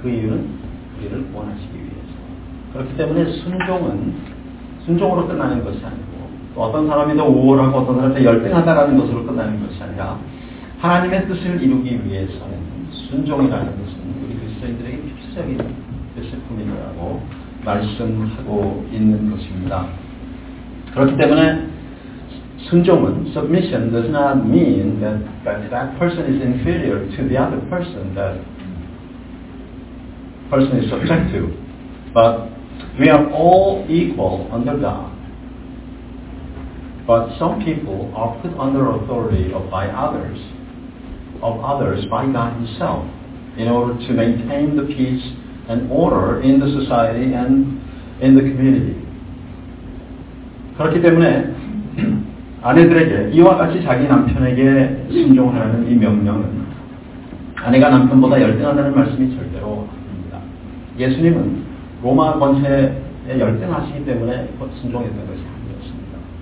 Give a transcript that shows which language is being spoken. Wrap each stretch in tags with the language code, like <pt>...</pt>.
<ko>그 이유는 우리를 구원하시기 위해서. 그렇기 때문에 순종은 순종으로 끝나는 것이 아니고 또 어떤 사람이 더 우월하고 어떤 사람이 더 열등하다라는 것으로 끝나는 것이 아니라 하나님의 뜻을 이루기 위해서는 순종이라는 것은 우리 그리스도인들에게 필수적인 디시플린이라고 말씀하고 있는 것입니다. 그렇기 때문에 순종은</ko> <en>submission does not mean that person is inferior to the other person that person is subject to, but we are all equal under God. But some people are put under authority by others by God Himself in order to maintain the peace and order in the society and in the community.</en> <ko>그렇기 때문에 아내들에게 이와 같이 자기 남편에게 순종하라는 이 명령은 아내가 남편보다 열등하다는 말씀이 절대로 아닙니다. 예수님은 로마 권세에 열등하시기 때문에 순종했던 것이 아니었습니다.</ko>